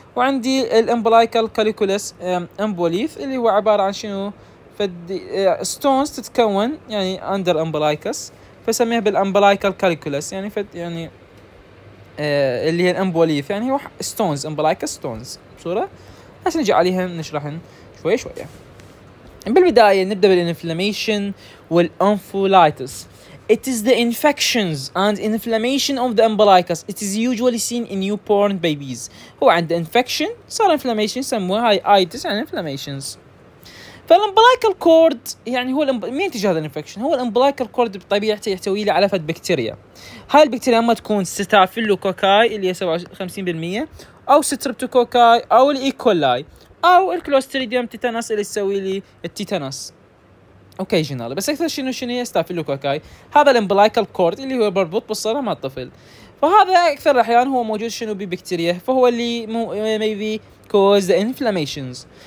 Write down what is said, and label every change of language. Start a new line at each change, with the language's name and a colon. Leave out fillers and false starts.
Arabic: وعندي الامبليكال كاليكولس امبوليف اللي هو عباره عن شنو؟ فد ستونز تتكون يعني اندر امبليكس، فسميها بالامبليكال كالكولس يعني فد يعني اللي هي الامبوليف يعني هو ستونز امبلايكا ستونز بصورة. هسه نجي عليها نشرحهم شوي شوي. بالبداية نبدأ بالانفلاميشن والانفولايتس.
English: It is the infections and inflammation of the umbilicus. It is usually seen in newborn babies.
Arabic: هو عند
English: infection صار inflammation يسموها itis and inflammations.
Arabic: فالumbilical cord يعني هو مين ينتج هذا الانفكشن؟ هو الumbilical cord بطبيعته يحتوي لي على فد بكتيريا. هاي البكتيريا اما تكون ستافيلوكوكاي اللي هي 57% او ستربتوكوكاي او الايكولاي او الكلوستريديوم تيتانس اللي يسوي لي التيتانس اوكيجنالي، بس اكثر شنو شنو هي ستافيلوكوكاي؟ هذا الامبلايكال كورد اللي هو مربوط بالصرع مع الطفل، فهذا اكثر الاحيان هو موجود شنو ببكتيريا، فهو اللي
English: maybe cause the inflammations.